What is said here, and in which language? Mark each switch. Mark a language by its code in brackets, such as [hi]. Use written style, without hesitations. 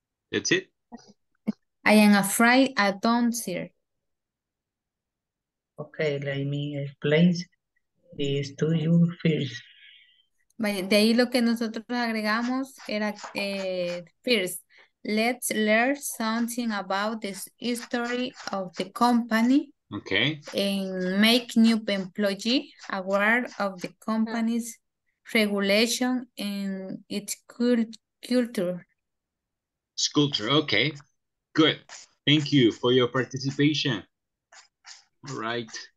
[en] That's it? I am afraid I don't see it. Okay, let me explain this to you first. [es] De ahí lo que nosotros agregamos era first. [en] Let's learn something about the history of the company. Okay. And make new employees aware of the company's regulation and its culture. Sculpture, okay. Good. Thank you for your participation. All right.